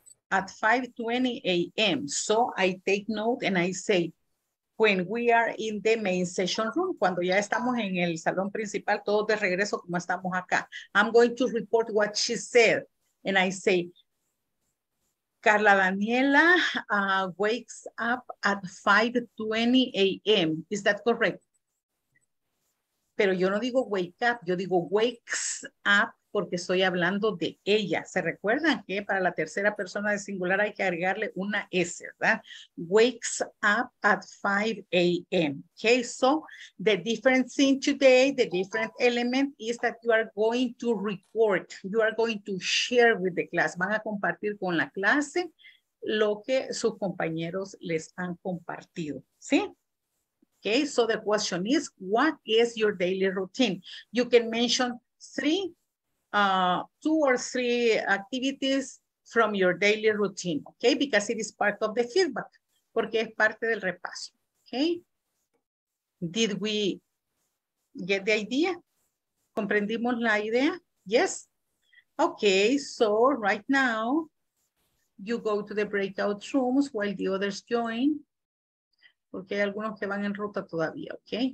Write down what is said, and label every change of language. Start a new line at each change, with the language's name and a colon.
English: At 5:20 a.m. So I take note and I say, when we are in the main session room,
Spanish: cuando ya estamos en el salón principal, todos de regreso como estamos acá,
English: I'm going to report what she said. And I say, Carla Daniela wakes up at 5:20 a.m. Is that correct?
Spanish: Pero yo no digo wake up, yo digo wakes up porque estoy hablando de ella. ¿Se recuerdan que para la tercera persona de singular hay que agregarle una S, ¿verdad?
English: Wakes up at 5 a.m. Okay, so the different thing today, the different element is that you are going to report, you are going to share with the class.
Spanish: Van a compartir con la clase lo que sus compañeros les han compartido, ¿sí?
English: Okay, so the question is, what is your daily routine? You can mention two or three activities from your daily routine, okay? Because it is part of the feedback,
Spanish: porque es parte del repaso,
English: okay? Did we get the idea?
Spanish: ¿Comprendimos la idea?
English: Yes? Okay, so right now, you go to the breakout rooms while the others join.
Spanish: Porque hay algunos que van en ruta todavía, okay?